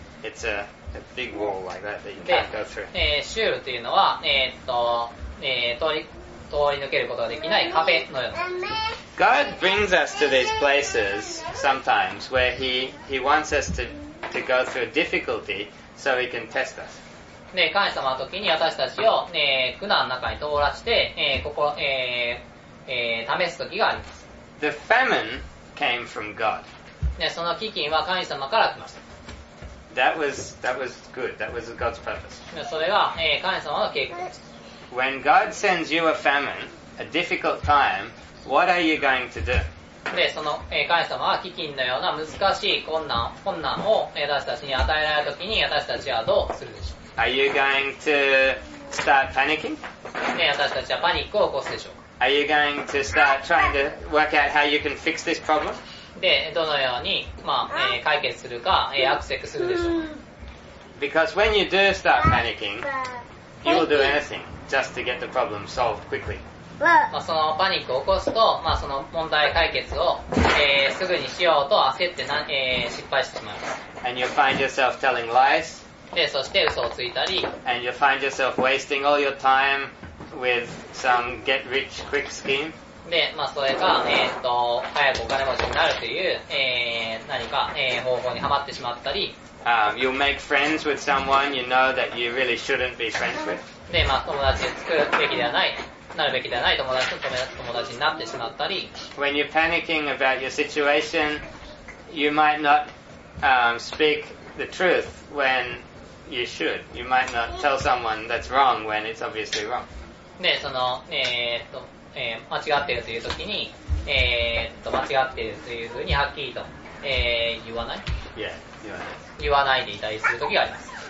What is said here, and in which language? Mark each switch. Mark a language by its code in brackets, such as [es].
[en] It's aa big wall like that that you can't go through. [ja] シュールというのは、通り抜けることができない壁のような。 [en] God brings us to these places sometimes where he wants us to go through difficulty so he can test us. [ja] で、神様の時に私たちを、苦難の中に通らして、試す時があります。 [en] The famine came from God. [ja] で、その飢饉は神様から来ました。 [en] That was good. That was God's purpose. [ja] それが、神様の計画です。 [en] When God sends you a famine, a difficult time, what are you going to do? [ja] で、その、神様は飢饉のような難しい困難を私たちに与えられるときに私たちはどうするでしょう? [en] Are you going to start panicking? [ja] で、私たちはパニックを起こすでしょうか? [en] Are you going to start trying to work out how you can fix this problem? [ja] で、どのように、まあ解決するか、アクセスするでしょうか。 [en] Because when you do start panicking, you will do anything just to get the problem solved quickly. [ja] まあそのパニックを起こすと、まあその問題解決を、すぐにしようと焦って、失敗してしまいます。 [en] And you'll find yourself telling lies. [ja] で、そして嘘をついたり。 [en] And you'll find yourself wasting all your time with some get rich quick scheme. [ja] で、まあ、それが、早くお金持ちになるという、何か、方法にハマってしまったり。 [en] You'll make friends with someone you know that you really shouldn't be friends with. [ja] で、まあ、友達を作るべきではない、なるべきではない友達になってしまったり。 [en] When you're panicking about your situation, you might not, speak the truth when you should. You might not tell someone that's wrong when it's obviously wrong. [ja] で、その、間違っているという時に、間違っているというふうにはっきりと、言わない。 [en] Yeah, [ja] 言わないでいたりする時があります。